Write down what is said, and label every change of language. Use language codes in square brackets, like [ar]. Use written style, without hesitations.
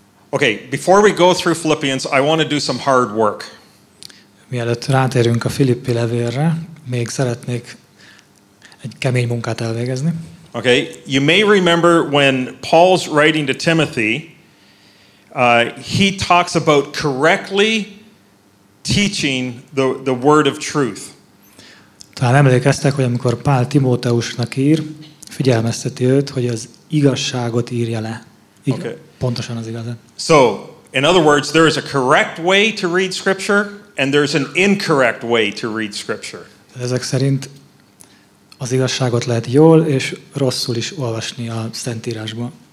[en] Okay, before we go through Philippians, I want to do some hard work. [hu] Mielőtt rátérünk a Filippi levélre, még szeretnék egy kemény munkát elvégezni. [en] Okay, you may remember when Paul's writing to Timothy, he talks about correctly teaching the word of truth. [hu] Talán emlékeztek, hogy amikor Pál Timóteusnak ír, figyelmezteti őt, hogy az igazságot írja le. Pontosan az igazat. [en] So, in other words, there is a correct way to read scripture and there's an incorrect way to read scripture. [hu] Ezek szerint az igazságot lehet jól és rosszul is olvasni a Szentírásban.